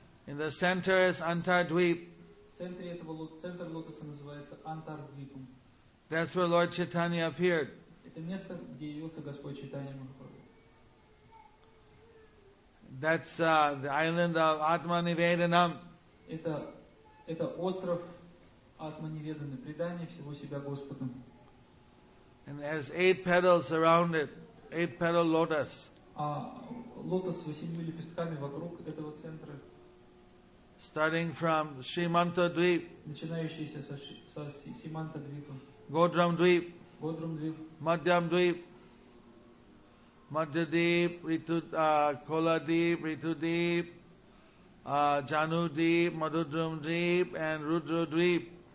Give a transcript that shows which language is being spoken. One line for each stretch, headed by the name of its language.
English: In the center is Antardvip.
Russian: Центр лотоса называется Антардвипом.
English: That's where Lord Chaitanya appeared.
Russian: Это место, где явился Господь Чайтанья Махапрабху.
English: That's the island of Atmanivedanam.
Russian: Это остров Атманиведаны, предание всего себя Господом.
English: And it has eight petals around it, eight petal lotus.
Russian: А лотос с восемью лепестками вокруг этого центра.
English: Starting from Srimantadvip.
Russian: Начинающийся со Симантадвипа.
English: Godramdvip.
Russian: Godramdvip.
English: Madhyamdvip. Madhyadvip, Koladvip, Ritudvip, Janudvip, Madhudramdvip, and Rudradvip.